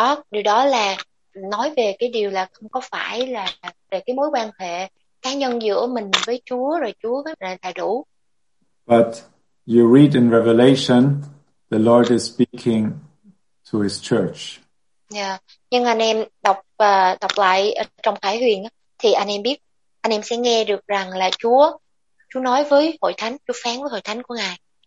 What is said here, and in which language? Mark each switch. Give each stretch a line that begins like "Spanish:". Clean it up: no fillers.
Vietnamese: Điều đó là nói về cái điều là không có phải là về cái mối quan hệ cá nhân giữa mình với Chúa rồi Chúa với mình là đủ.
English: But you read in Revelation, the Lord is speaking to his church. Yeah.
Vietnamese: Nhưng anh em đọc lại trong Khải Huyền thì anh em biết, anh em sẽ nghe được rằng là Chúa nói với hội thánh, Chúa phán với hội thánh của Ngài.